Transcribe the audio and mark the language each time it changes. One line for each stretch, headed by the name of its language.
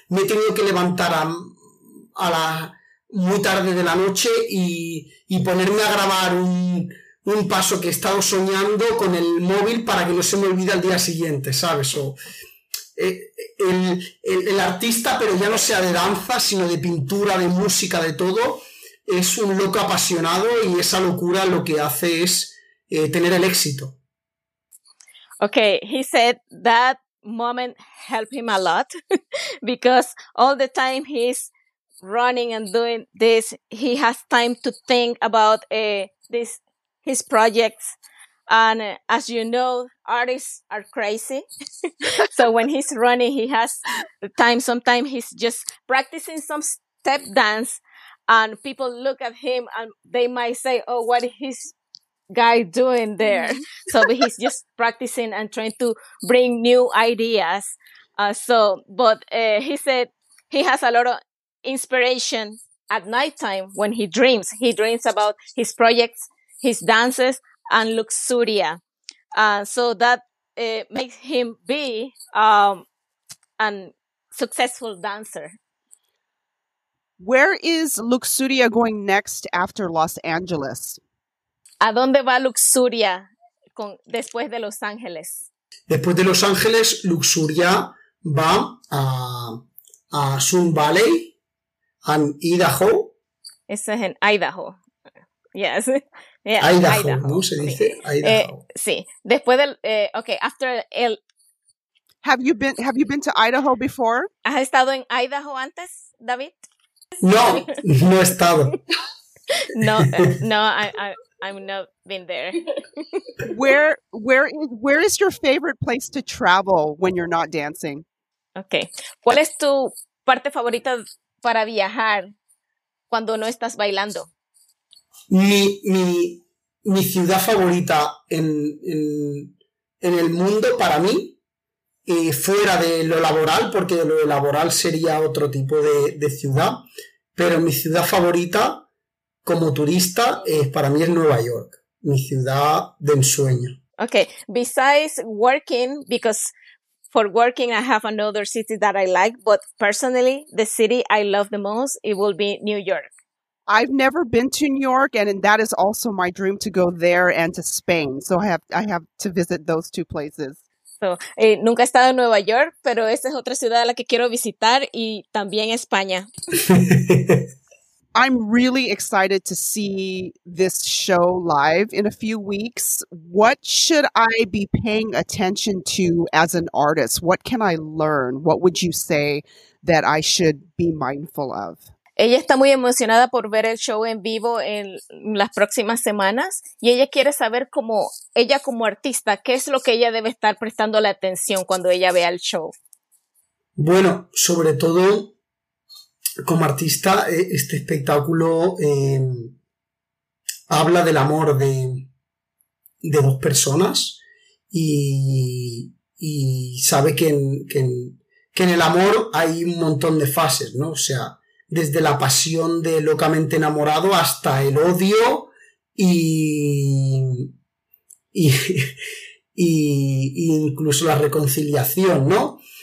Spanish: Me he tenido que levantar a la muy tarde de la noche y ponerme a grabar un paso que he estado soñando con el móvil para que no se me olvide al día siguiente, ¿sabes? El artista, pero ya no sea de danza, sino de pintura, de música, de todo, es un loco apasionado y esa locura lo que hace es tener el éxito.
English: Okay, he said that moment helped him a lot because all the time he's running and doing this, he has time to think about his projects. And as you know, artists are crazy. So when he's running, he has time. Sometimes he's just practicing some step dance and people look at him and they might say, oh, what is this guy doing there? So he's just practicing and trying to bring new ideas. But he said he has a lot of inspiration at nighttime when he dreams. He dreams about his projects, his dances, and Luxuria. So that makes him be a successful dancer. Where is Luxuria going next after Los Angeles?
Spanish: ¿A dónde va Luxuria después de Los Ángeles? Después de Los Ángeles, Luxuria va a Sun Valley and Idaho. Eso es en Idaho. Yes. Yeah, Idaho, ¿no? Se dice Idaho. Sí, después del, okay, after el.
English: Have you been to Idaho before?
Spanish: ¿Has estado en Idaho antes, David? No he estado.
English: No, I'm not been there. Where is your favorite place to travel when you're not dancing?
Spanish: Okay, ¿cuál es tu parte favorita para viajar cuando no estás bailando? Mi ciudad favorita en el mundo para mí, fuera de lo laboral, porque lo laboral sería otro tipo de ciudad, pero mi ciudad favorita como turista para mí es Nueva York, mi ciudad de ensueño.
English: Okay, besides working, because for working I have another city that I like, but personally the city I love the most, it will be New York. I've never been to New York, and that is also my dream to go there and to Spain. So I have to visit those two places.
Spanish: So, nunca he estado en Nueva York, pero esa es otra ciudad a la que quiero visitar y también España.
English: I'm really excited to see this show live in a few weeks. What should I be paying attention to as an artist? What can I learn? What would you say that I should be mindful of?
Spanish: Ella está muy emocionada por ver el show en vivo en las próximas semanas y ella quiere saber cómo ella como artista, qué es lo que ella debe estar prestando la atención cuando ella vea el show. Bueno, sobre todo como artista, este espectáculo habla del amor de dos personas y sabe que en el amor hay un montón de fases, ¿no? O sea, desde la pasión de locamente enamorado hasta el odio y incluso la reconciliación, ¿no?